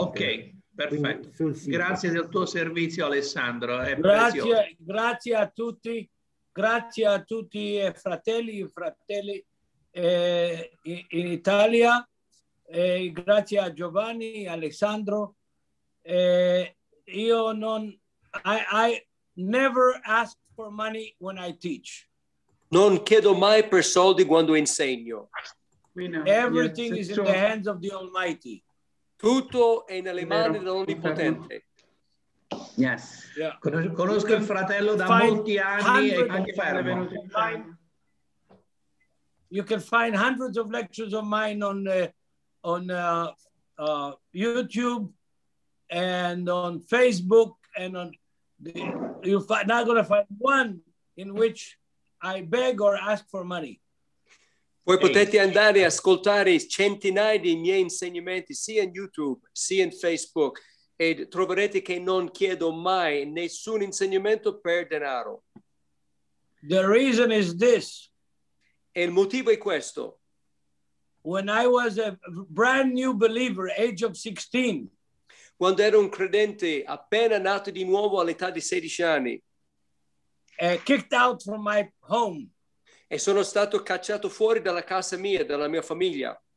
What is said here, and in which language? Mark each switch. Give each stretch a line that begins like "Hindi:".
Italian: Ok, perfetto. Quindi, grazie del tuo servizio, Alessandro. È grazie, grazie a tutti. Grazie a tutti i fratelli e fratelli in Italia, grazie a Giovanni e Alessandro. Io non,
English: I never ask for money when I teach.
Italian: Non chiedo mai per soldi quando insegno.
English: Everything is in the hands of the Almighty.
Italian: Tutto è nelle mani dell'Onnipotente.
English: Yes. Yeah.
Italian: Conosco il fratello da molti anni e confermo.
English: You can find hundreds of lectures of mine on YouTube and on Facebook and on the, you're not going to find one in which I beg or ask for money.
Italian: Voi potete andare a ascoltare centinaia di miei insegnamenti sia in YouTube sia in Facebook. E troverete che non chiedo mai nessun insegnamento per denaro.
English: The reason is this.
Italian: E il motivo è questo.
English: When I was a brand new believer, age of 16.
Italian: Quando ero un credente appena nato di nuovo all'età di 16 anni.
English: Kicked out from my home.
Italian: E sono stato cacciato fuori dalla casa mia, dalla mia famiglia.